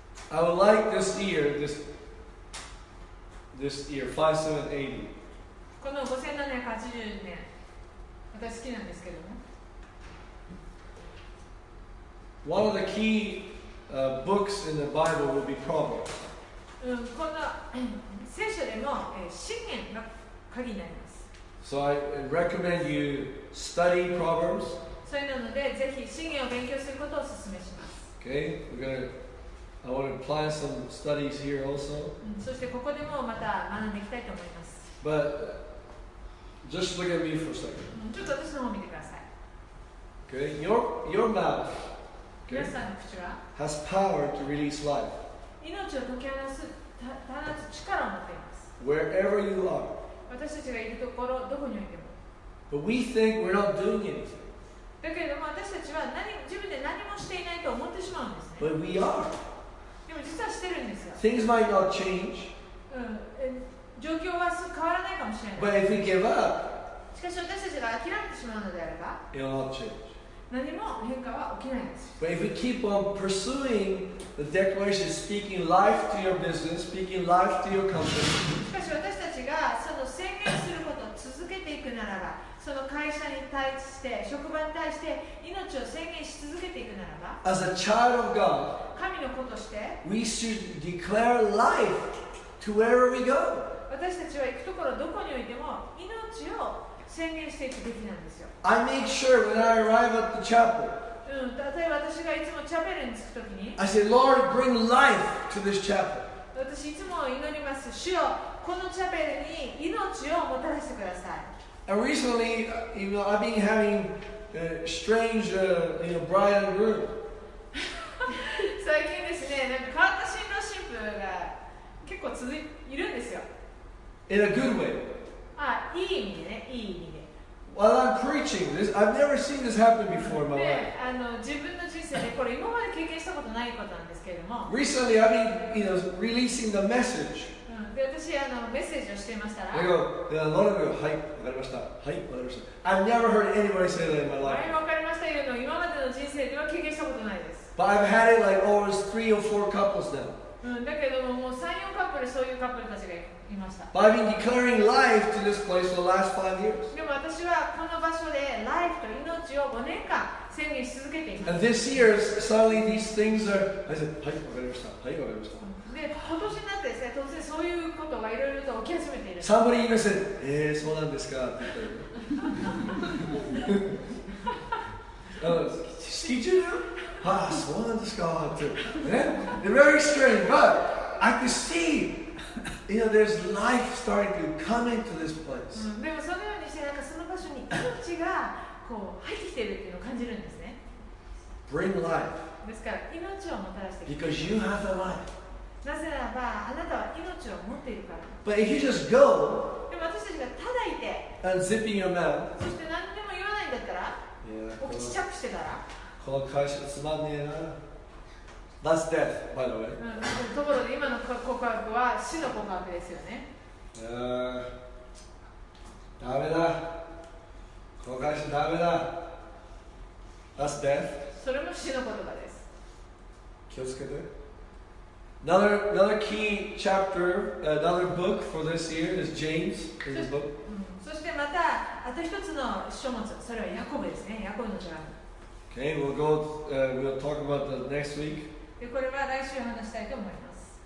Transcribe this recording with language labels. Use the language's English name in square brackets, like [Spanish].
[English] I would like this year, this year, 5780. [Japanese] この5780年、私好きなんですけども。 [English] One of the key books in the Bible will be Proverbs. [Japanese] この聖書でも箴言が鍵になります。 [English] So I recommend you study Proverbs. [Japanese] それなのでぜひ箴言を勉強することをお勧めします。 [English] Okay, I want to apply some studies here also. [Japanese] そしてここでもまた学んでいきたいと思います。 [English] But just look at me for a second. [Japanese] ちょっと私の方を見てください。 [English] Okay, your mouth, [Japanese] okay, 皆さんの口は [English] has power to release life. [Japanese] 命を解き放つ、放つ力を持っています。 [English] Wherever you are. [Japanese] 私たちがいるところ、どこにおいても。 [English] But we think we're not doing anything. [Japanese] だけれども私たちは自分で何もしていないと思ってしまうんですね。 [English] But we are. [Japanese] でも実はしてるんですよ。 [English] Things might not change. [Japanese] 状況は変わらないかもしれない。 [English] But if we give up. [Japanese] しかし私たちが諦めてしまうのであれば。 [English] It will not change. [Japanese] 何も変化は起きないんです。 [English] But if we keep on pursuing the declaration, speaking life to your business, speaking life to your company. [Japanese] しかし私たちがその宣言することを続けていくならば、その会社に対して、職場に対して命を宣言し続けていくならば、 [English] As a child of God, [Japanese] 神の子として、 [English] we should declare life to wherever we go. [Japanese] 私たちは行くところどこにおいても命を宣言していくべきなんですよ。 [English] I make sure when I arrive at the chapel. [Japanese] 例えば私がいつもチャペルに着くときに、 [English] I say, Lord, bring life to this chapel. [Japanese] 私いつも祈ります。主よ、このチャペルに命をもたらしてください。 [English] And recently, you know, I've been having strange bride and groom. [Japanese] 最近ですね、なんか変わった新郎新婦が結構続いているんですよ。 [English] In a good way. [Japanese] あ、いい意味でね、いい意味で。 [English] While I'm preaching, this, I've never seen this happen before in my life. [Japanese] 自分の人生でこれ今まで経験したことないことなんですけれども。 [English] Recently, I've been, you know, releasing the message. [Japanese] で、私メッセージをしていましたら。 [English] They go, a lot of you, [Japanese] はい、わかりました。はい、わかりました。 [English] I've never heard anybody say that in my life. [Japanese] はい、わかりましたよ。今までの人生では経験したことないです。 [English] But I've had it like almost three or four couples now. [Japanese] だけども、もう3、4カップルそういうカップルたちがいました。 [English] But I've been declaring life to this place for the last 5 years. [Japanese] でも私はこの場所で life と命を5年間宣言し続けています。 [English] And this year, suddenly these things are... I said, [Japanese] はい、わかりました。はい、わかりました。で、今年になってですね、当然そういうことがいろいろと起き始めている。 [English] Somebody even said, [Japanese] そうなんですかって言ったら。式中ああそうなんですかってね [English] They're very strange but I could see you know there's life starting to come into this place、 [Japanese] うん、でもそのようにしてなんかその場所に命がこう入ってきてるっていうのを感じるんですね [English] Bring life [Japanese] ですから命をもたらしてくれる [English] Because you have the life [Japanese] なぜならばあなたは命を持っているから。 [English] But if you just go, [Japanese] でも私たちがただいて、 [English] unzipping your mouth, [Japanese] そして何でも言わないんだったら、 yeah, お口チャップしてたら、この会社つまんねえな。 [English] That's death, by the way. [Japanese] ところで今の告白は死の告白ですよね。ダメだ。この会社ダメだ。 [English] That's death. [Japanese] それも死の言葉です。気をつけて。 [English] Another key chapter, another book for this year is James. Is the book. [Japanese] そしてまたあと一つの書物、それはヤコブですね。ヤコブの書物。 [English] Okay, we'll go. We'll talk about that next week. [Japanese] でこれは来週話したいと思います。